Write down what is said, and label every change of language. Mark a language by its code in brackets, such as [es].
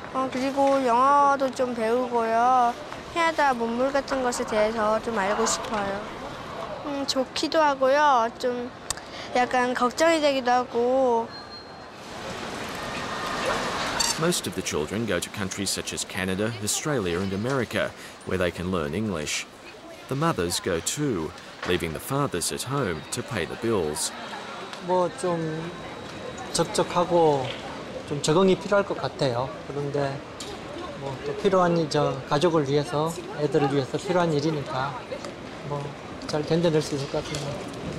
[ko] 그리고 영어도 좀 배우고요. 캐나다 문물 같은 것에 대해서 좀 알고 싶어요. 좋기도 하고요. 좀 약간 걱정이 되기도 하고. [en] Most of the children go to countries such as Canada, Australia and America, where they can learn English. The mothers go too, leaving the fathers at home to pay the bills. [ko] 뭐 좀 적적하고 좀 적응이 필요할 것 같아요. 그런데 뭐 또 필요한 저 가족을 위해서, 애들을 위해서 필요한 일이니까 뭐 잘 견뎌낼 수 있을 것 같아요.